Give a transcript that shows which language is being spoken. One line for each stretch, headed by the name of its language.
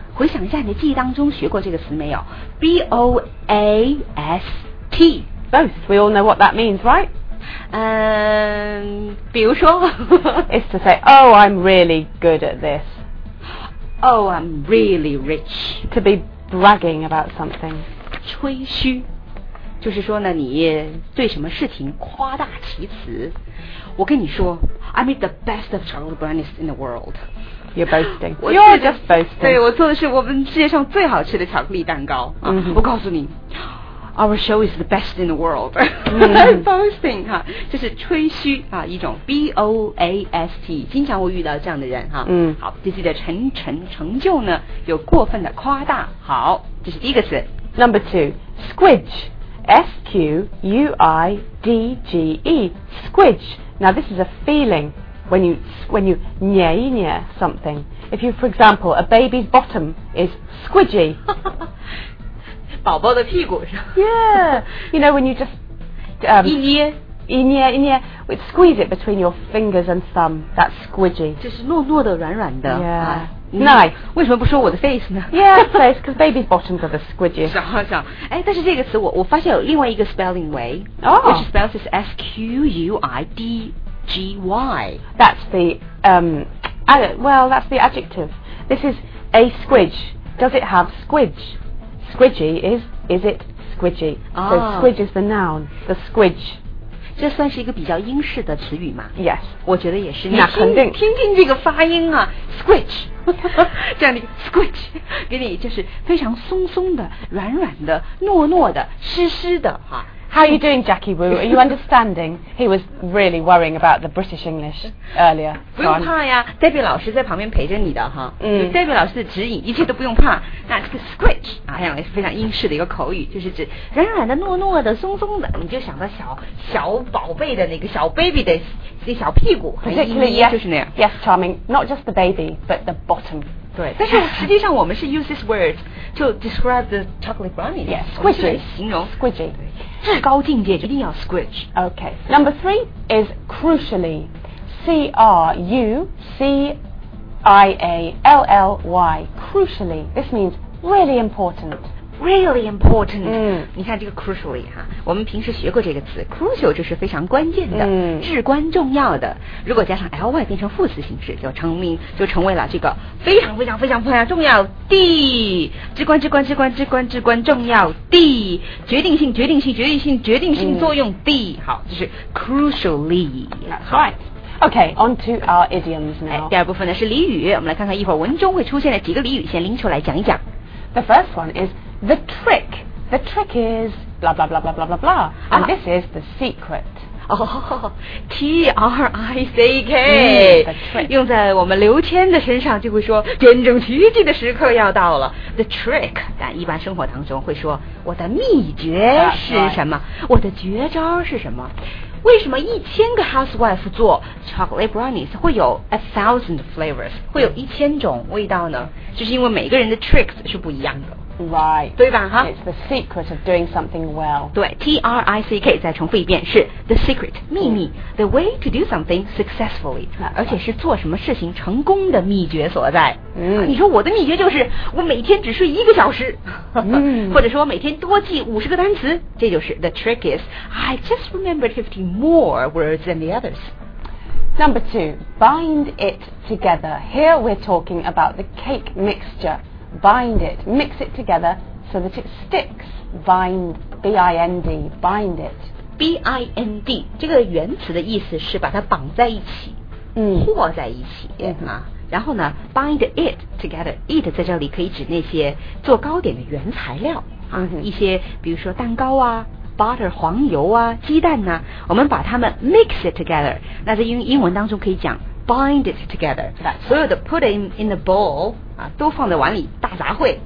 Chinese: 回想一下，你记忆当中学过这个词没有 ？B-O-A-S-T.
English: Boast. We all know what that means, right?
Chinese: 比如说。
English: It's to say, oh, I'm really good at this. Oh, I'm really rich. To be bragging about something.
Chinese: 吹嘘。就是说呢，你对什么事情夸大其词。我跟你说
English: ，I'm the best of Charles Brandis in the world. You're boasting. You're just boasting.
Chinese: 对，我做的是我们世界上最好吃的巧克力蛋糕。 Mm-hmm. 我告诉你
English: ，Our show is the best in the world. 、mm-hmm.
Chinese: Boasting 哈，就是吹嘘啊，一种 B O A S T。经常会遇到这样的人哈。嗯、mm.。好，对自己的成就呢，有过分的夸大。好，这是第一个词。
English: Number two, squidge. S-Q-U-I-D-G-E, squidge. Now this is a feeling when you nye-nye something. If you, for example, a baby's bottom is squidgy.
Chinese: 宝宝的屁股是
English: Yeah. You know, when you just...
Chinese: 一捏一捏一捏
English: We squeeze it between your fingers and thumb. That's squidgy.
Chinese: 就是糯糯的软软的
English: Yeah. Nice.
Chinese: 为什么不说我的 face 呢
English: Yeah, face, because baby's bottoms are the squidgy.
Chinese: 想哎，但是这个词我发现有另外一个
English: spelling way,、 oh. which spells is S-Q-U-I-D-G-Y. That's the, that's the adjective. This is a squidge. Does it have squidge? Squidgy is it squidgy?、 Oh. So squidge is the noun, the squidge.
Chinese: 这算是一个比较英式的词语嘛
English: Yes
Chinese: 我觉得也是那肯定听听这个发音啊 Squidge 这样的 Squidge 给你就是非常松松的软软的糯糯的湿湿的、啊、
English: How are you doing Jackie Wu? Are you understanding? He was really worrying about the British English earlier
Chinese: 不用怕呀 Debbie 老师在旁边陪着你的哈、嗯、 Debbie 老师的指引一切都不用怕那这个 Squidge 啊，像是非常英式的一个口语就是指软软的糯糯的松松的你就想到小宝贝的那个小 baby 的小屁股
English: ，Particularly, yes,
Chinese: 就是那样。
English: Yes, charming. Not just the baby, but the bottom.
Chinese: 对，但是实际上我们是
English: use this word to describe the chocolate brownie. Yes, squidgy.
Chinese: 形容
English: squidgy.
Chinese: 至高境界一定要 squidge.
English: Okay. Number three is crucially, C R U C I A L L Y. Crucially, this means really important. Really important、嗯、
Chinese: 你看这个 crucially、啊、我们平时学过这个词 crucial 就是非常关键的、嗯、至关重要的如果加上 ly 变成副词形式就成为了这个非常非常非常非常重要的至关重要的决定性作用的、嗯、好就是 crucially
English: Okay, on to our idioms now、
Chinese: 哎、第二部分呢是俚语我们来看看一会儿文中会出现的几个俚语先拎出来讲一讲
English: The first one isThe trick is blah blah blah blah blah blah blah, and this is the secret. Oh, T-R-I-C-K.、 Mm, the trick.
Chinese: 用在我们刘谦的身上就会说见证奇迹的时刻要到了 The trick. 但一般生活当中会说我的秘诀是什么、
English: right.
Chinese: 我的绝招是什么为什么一千个 housewife 做 chocolate brownies 会有
English: 1,000 flavors,
Chinese: 会有一千种味道呢就是因为每个人的 tricks 是不一样的。
English: Right.
Chinese: 对吧哈
English: It's the secret of doing something well.
Chinese: 对 ,T-R-I-C-K, 再重复一遍是
English: the secret,
Chinese: 秘密、mm.
English: the way to do something successfully,、 right.
Chinese: 而且是做什么事情成功的秘诀所在。 Mm. 你说我的秘诀就是我每天只睡一个小时、 mm. 或者说我每天多记50个单词这就是
English: the trick is, I just remembered 50 more words than the others. Number two, bind it together. Here we're talking about the cake mixture. Bind it, mix it together so that it sticks. Bind, B-I-N-D, bind it.
Chinese: B-I-N-D, 这个原词的意思是把它绑在一起，嗯，和在一起、嗯、啊。然后呢
English: ，bind it together.
Chinese: It 在这里可以指那些做糕点的原材料啊、嗯，一些比如说蛋糕啊。 butter 黄油啊鸡蛋呢、啊、我们把它们
English: mix it together
Chinese: 那在英文当中可以讲
English: bind it together、 right.
Chinese: 所有的
English: put in the bowl、
Chinese: 啊、都放在碗里大杂烩、